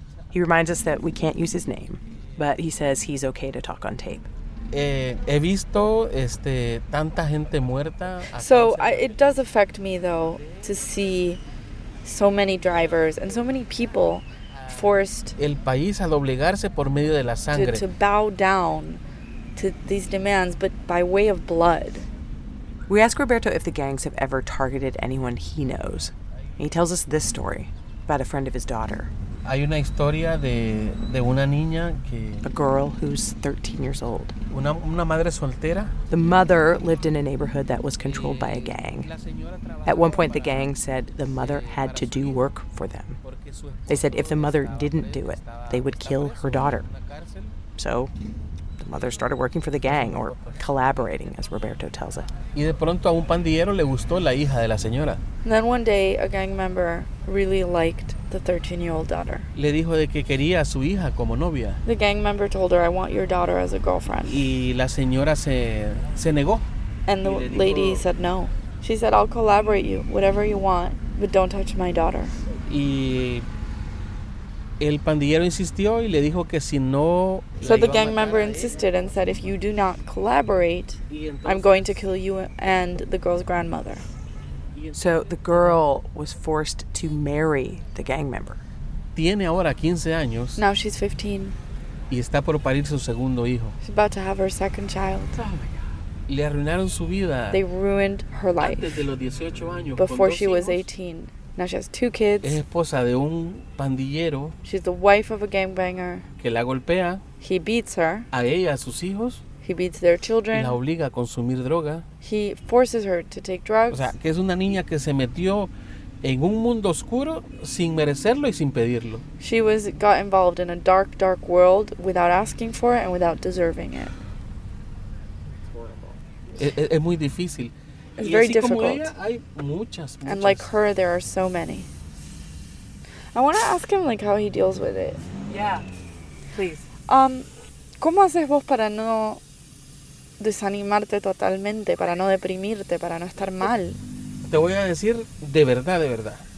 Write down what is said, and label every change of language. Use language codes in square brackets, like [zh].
[en] He reminds us that we can't use his name, but he says he's okay to talk on tape. [es] He visto tanta gente muerta. [en] So it does affect me, though, to see so many drivers and so many people forced [es] el país al obligarse por medio de la sangre. [en] To bow down to these demands, but by way of blood. We ask Roberto if the gangs have ever targeted anyone he knows. And he tells us this story about a friend of his daughter. [es] Hay una historia de una niña que... [en] A girl who's 13 years old. [es] Una madre soltera. [en] The mother lived in a neighborhood that was controlled by a gang. At one point, the gang said the mother had to do work for them. They said if the mother didn't do it, they would kill her daughter. So the mother started working for the gang, or collaborating, as Roberto tells it. [es] Y de pronto a un pandillero le gustó la hija de la señora. [en] Then one day, a gang member really liked the 13-year-old daughter. [es] Le dijo de que quería a su hija como novia. [en] The gang member told her, I want your daughter as a girlfriend. [es] Y la señora se negó. [en] And the lady said no. She said, I'll collaborate you, whatever you want, but don't touch my daughter. [es] Y el pandillero insistió y le dijo que si no... [en] So the gang member insisted and said, if you do not collaborate, I'm going to kill you and the girl's grandmother. So the girl was forced to marry the gang member. [es] Tiene ahora 15 años. [en] Now she's 15. [es] Y está por parir su segundo hijo. [en] She's about to have her second child. Oh my God. [es] Le arruinaron su vida. [en] They ruined her life. [es] Antes de los 18 años, [en] before she was 18. Now she has two kids. [es] Es esposa de un pandillero. [en] She's the wife of a gangbanger. [es] Que la golpea. [en] He beats her. [es] A ella, a sus hijos. [en] He beats their children. [es] La obliga a consumir droga. [en] He forces her to take drugs. [es] O sea, que es una niña que se metió en un mundo oscuro sin merecerlo y sin pedirlo. [en] She was got involved in a dark, dark world without asking for it and without deserving it. [es] Es muy difícil. [en] It's very difficult. [es] Ella, muchas. [en] And like her, there are so many. I want to ask him like how he deals with it. Yeah, please. [es] ¿Cómo haces vos para no desanimarte totalmente, para no deprimirte, para no estar mal? Te voy a decir de verdad, de verdad.